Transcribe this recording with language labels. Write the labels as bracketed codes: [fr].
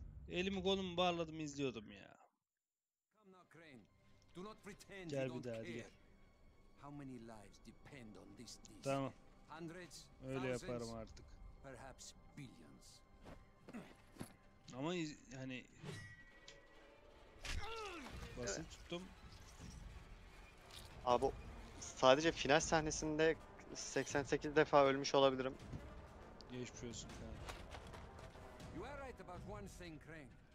[tr] Elimi kolumu bağladım izliyordum ya. [en] Come now, Crane. Do not pretend you don't care. How many lives depend on this disc? [tr] Tamam. [en] Hundreds, [tr] öyle yaparım artık. [en] Perhaps billions. [tr] Ama hani basit evet. Tuttum. Abi sadece final sahnesinde 88 defa ölmüş olabilirim. Geçmiş olsun. [en] You are right about one thing, Crane.